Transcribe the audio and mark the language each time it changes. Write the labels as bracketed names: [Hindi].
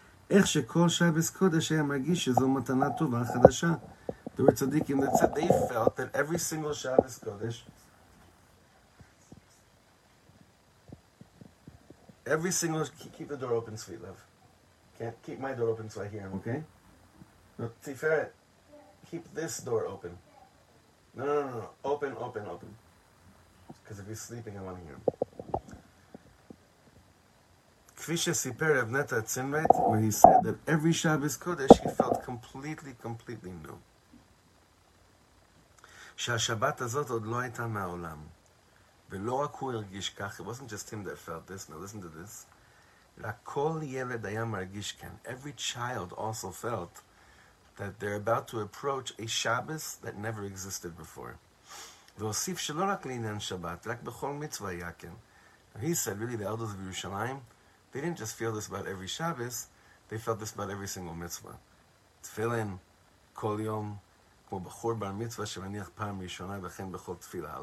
[Hebrew] איך שכל שבת קודש היה מרגיש שזו מתנה טובה חדשה. [English] They were tzaddikim that said they felt that every single Shabbos Kodesh, every single, keep the door open, sweet love. Can't keep my door open so I hear him, okay? No. Tiferet, keep this door open. No. Open. Because if he's sleeping, I want to hear him. Kvisha Siper Evneta Tzinret, where he said that every Shabbos Kodesh, he felt completely, completely new. [Hebrew] שהשבת הזאת עוד לא הייתה מהעולם. ולא רק הוא הרגיש כך, [English] it wasn't just him that felt this, now listen to this, [Hebrew] אלא כל ילד היה מרגיש כאן. [English] Every child also felt that they're about to approach a Shabbos that never existed before. [Hebrew] והוסיף שלא רק לעניין שבת, רק בכל מצווה היה כן. [English] And he said, really, the elders of Yerushalayim, they didn't just feel this about every Shabbos, they felt this about every single mitzvah. [Hebrew] Tefillin, כל יום, כמו בחור בר מצווה שמניח פעם ראשונה וכן בכל תפילה.